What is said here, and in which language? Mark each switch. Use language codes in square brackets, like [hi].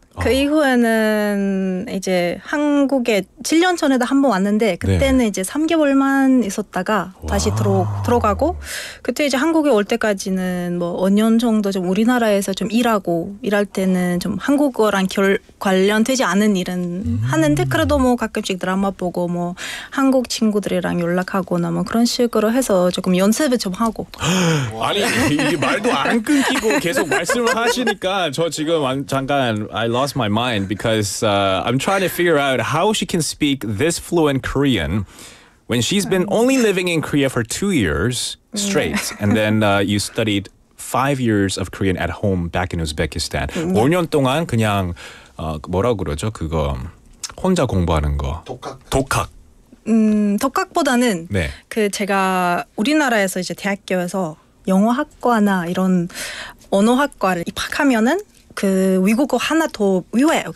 [ko] 그 이후에는 이제 한국에 7년 전에도 한번 왔는데 그때는 네. 이제 3개월만 있었다가 다시 들어가고 그때 이제 한국에 올 때까지는 뭐 5년 정도 좀 우리나라에서 좀 일할 때는 좀 한국어랑 관련되지 않은 일은 하는데 그래도 뭐 가끔씩 드라마 보고 뭐 한국 친구들이랑 연락하거나 뭐 그런 식으로 해서 조금 연습을 좀 하고 아니 이게 말도 안 끊기고 계속 말씀을 하시니까 저 지금 잠깐 [en] I lost my mind because I'm trying to figure out how she can speak this fluent Korean when she's been only living in Korea for 2 years straight and then you studied 5 years of Korean at home back in Uzbekistan. [ko] 5년 동안 그냥 뭐라고 그러죠? 그거 혼자 공부하는 거. 독학. 독학보다는 네. 그 제가 우리나라에서 이제 대학교에서 영어학과나 이런 언어학과를 입학하면은 그 외국어 하나 더 외워요.